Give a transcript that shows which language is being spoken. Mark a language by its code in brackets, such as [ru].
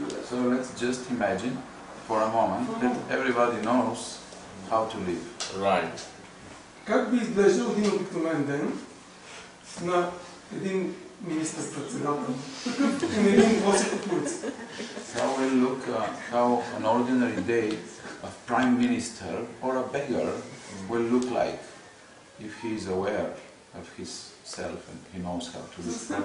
[en] So let's just imagine for a moment that everybody knows how to live. Right. [bg] Как би изглеждал един обикновен ден на един министър-председател, на един босък от улица? [en] How will look how an ordinary day of prime minister or a beggar will look like if he is aware of his self and he knows how to live.